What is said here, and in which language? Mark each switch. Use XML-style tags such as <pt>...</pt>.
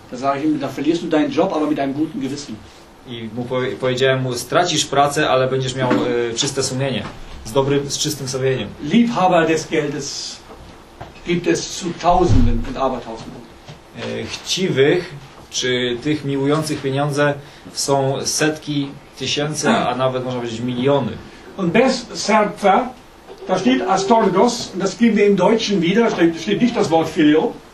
<de>Da sage ich ihm, da verlierst du deinen Job, aber mit einem guten Gewissen.</de> <pl>I mu powiedziałem mu, stracisz pracę, ale będziesz miał czyste sumienie. Z czystym sumieniem.</pl> <de>Liebhaber des Geldes gibt es zu tausenden und abertausenden.</de> <pl>Chciwych, czy tych miłujących pieniądze są setki tysięcy, a nawet można powiedzieć miliony.</pl> <de>Und</de> <pl>bez serca,</pl> <de>da steht Astorgos, das geben wir im Deutschen wieder, steht nicht das Wort Philo.</de>